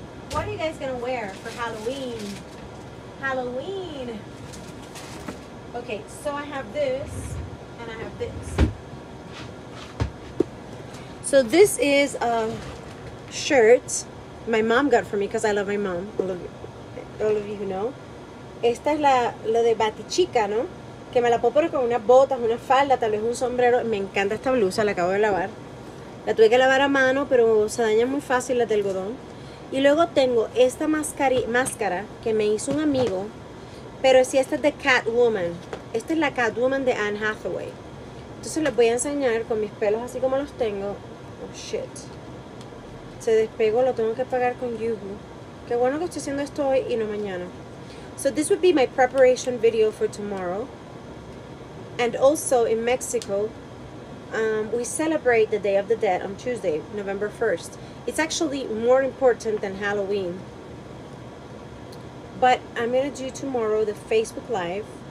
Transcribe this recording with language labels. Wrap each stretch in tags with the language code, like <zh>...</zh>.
<en>What are you guys gonna wear for Halloween? Halloween. Okay, so I have this, and I have this. So this is a shirt my mom got for me because I love my mom. All of you who know.</en> <es>Esta es la de Batichica, ¿no? Que me la puedo poner con unas botas, una falda, tal vez un sombrero. Me encanta esta blusa, la acabo de lavar. La tuve que lavar a mano, pero se daña muy fácil la de algodón. Y luego tengo esta máscara que me hizo un amigo. Pero si esta es de Catwoman. Esta es la Catwoman de Anne Hathaway. Entonces les voy a enseñar con mis pelos así como los tengo.</es> <en>Oh, shit.</en> <es>Se despegó, lo tengo que pagar con Yuhu. Qué bueno que estoy haciendo esto hoy y no mañana.</es> <en>So this would be my preparation video for tomorrow. And also in Mexico, we celebrate the Day of the Dead on Tuesday, November 1st. It's actually more important than Halloween. But I'm gonna do tomorrow the Facebook Live.</en>